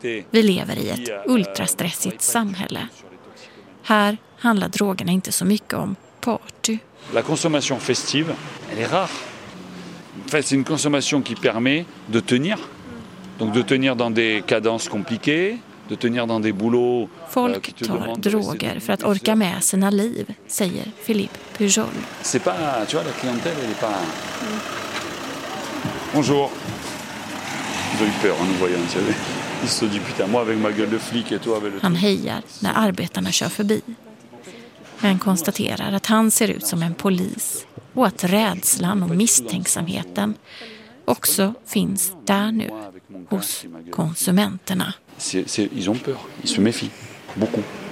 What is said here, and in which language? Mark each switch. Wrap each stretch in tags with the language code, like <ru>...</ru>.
<sv>Vi lever i ett ultrastressigt samhälle. Här handlar drogerna inte så mycket om party.</sv> <fr>La consommation festive, elle est rare. En fait, c'est une consommation qui permet de tenir. Donc de tenir dans des cadences compliquées, de tenir dans des boulots.</fr> <sv>Folk tar droger för att orka med sina liv, säger Philippe Pujol.</sv> <fr>C'est pas, tu vois, la clientèle, elle est pas. Bonjour. J'ai eu peur en nous voyant, tu sais. Il se dit putain, moi avec ma gueule de flic et toi avec le...</fr> <sv>Han hejar när arbetarna kör förbi. Men konstaterar att han ser ut som en polis och att rädslan och misstänksamheten också finns där nu hos konsumenterna.</sv> <fr>Ils ont peur, ils se méfient beaucoup.</fr>